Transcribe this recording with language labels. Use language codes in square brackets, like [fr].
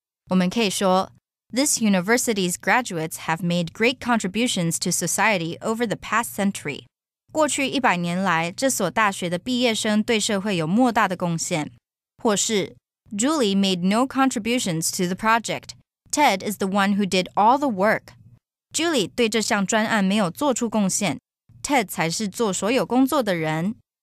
[zh] 我们可以说 [en] This university's graduates have made great contributions to society over the past century. [zh] 过去一百年来，这所大学的毕业生对社会有莫大的贡献。或是 [en] Julie made no contributions to the project. Ted is the one who did all the work. [zh] Julie 对这项专案没有做出贡献 ，Ted 才是做所有工作的人。